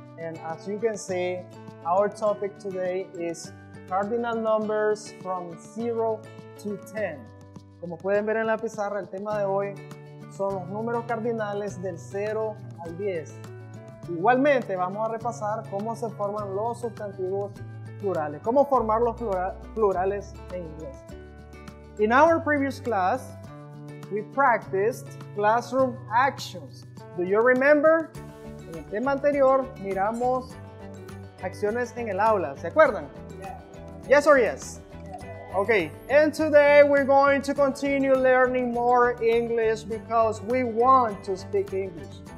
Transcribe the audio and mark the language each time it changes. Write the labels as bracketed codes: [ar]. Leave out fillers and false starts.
[en] And as you can see, our topic today is cardinal numbers from 0 to 10. [es] Como pueden ver en la pizarra, el tema de hoy son los números cardinales del 0 al 10. Igualmente, vamos a repasar cómo se forman los sustantivos plurales. ¿Cómo formar los plurales en inglés? [en] In our previous class, we practiced classroom actions. Do you remember? [es] En el tema anterior, miramos acciones en el aula. ¿Se acuerdan? [en] Yeah. Yes or yes? Yeah. Okay, and today we're going to continue learning more English because we want to speak English.